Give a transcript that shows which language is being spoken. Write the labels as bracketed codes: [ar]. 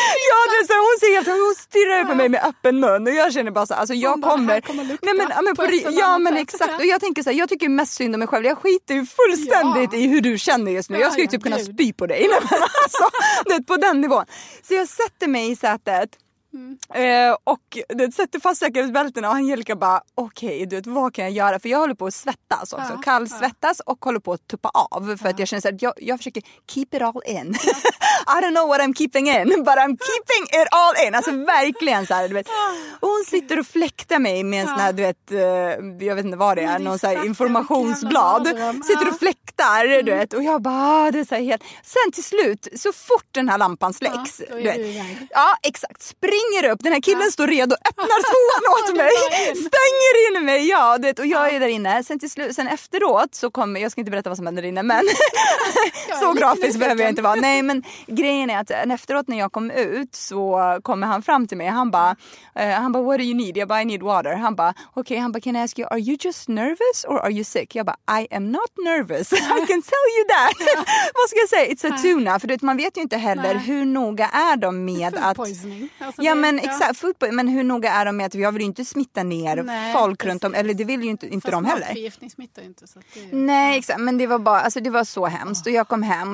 [sv] Ja, det, så hon ser helt, hon stirrar på mig med öppen mun, och jag känner bara så, alltså, jag bara, kommer, nej, men på ja, men exakt, och jag tänker så här, jag tycker mest synd om mig själv, jag skiter ju fullständigt i hur du känner just nu, jag skulle ju typ kunna spy på dig, men alltså, på den nivån. Så jag sätter mig i sätet och det sätter fast säkerhetsbältena, och Angelica bara, okej, okay, du vet, vad kan jag göra? För jag håller på att svettas också, kallsvettas och håller på att tuppa av, för att jag känner att jag försöker [en] keep it all in. I don't know what I'm keeping in, but I'm keeping it all in. [sv] Alltså verkligen så här, du vet. Och hon sitter och fläktar mig med en sån här, du vet, jag vet inte vad det är, någon sån här informationsblad. Sitter och fläktar, du vet. Och jag bara, det är så här helt... Sen till slut, så fort den här lampan släcks, du vet. Ja, exakt. Springer upp, den här killen står redo, öppnar toan åt mig, stänger in mig, ja, du vet. Och jag är där inne. Sen till slut, sen efteråt så kommer... Jag ska inte berätta vad som händer inne, men... så grafiskt behöver jag inte vara. Nej, men... Grejen är att efteråt när jag kom ut, så kommer han fram till mig. Han bara, [en] what do you need? [sv] Jag bara, [en] I need water. [sv] Han bara, [en] okay. [sv] Han bara, [en] can I ask you, are you just nervous or are you sick? [sv] Jag bara, [en] I am not nervous. I can tell you that. [sv] Vad ska jag säga? [en] It's a tuna. [sv] För du vet, man vet ju inte heller hur noga är de med [en] food [sv] att... Alltså, ja, men exakt. [en] Food poisoning. [sv] Men hur noga är de med att jag vill ju inte smitta ner folk runt om. Eller det vill ju inte de heller. Nej, exakt. Men det var bara, alltså det var så hemskt. Och jag kom hem.